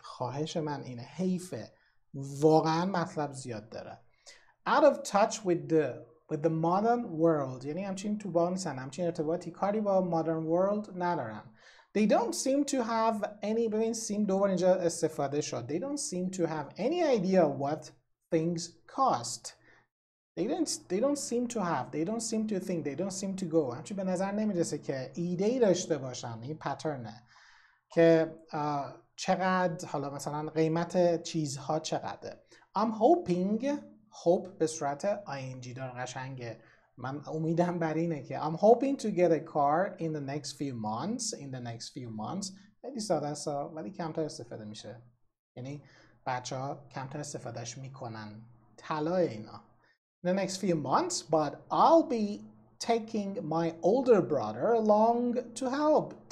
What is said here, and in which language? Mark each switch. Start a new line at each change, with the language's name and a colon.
Persian: خواهش من اینه، حیفه، واقعا مطلب زیاد داره.
English: Out of touch with the modern world.
Persian: یعنی همچین تو باقی نیستن، همچین ارتباطی کاری با
English: modern world
Persian: ندارن.
English: They don't seem to have any.
Persian: ببین seem دوباره اینجا استفاده شد.
English: They don't seem to have any idea what things cost. They don't seem to think. They don't seem to go.
Persian: همچنین به نظر نمیرسه که ایده ای داشته باشن. این پترنه که چقدر حالا مثلا قیمت چیزها چقدره.
English: I'm hoping.
Persian: Hope به صورت ing داره قشنگه. من امیدم بر اینه که
English: I'm hoping to get a car in the next few months.
Persian: خیلی ساده است ولی کمتر استفاده میشه. یعنی بچه ها کمتر استفادهش میکنن. طلای اینا.
English: The next few months, but I'll be taking my older brother along to help.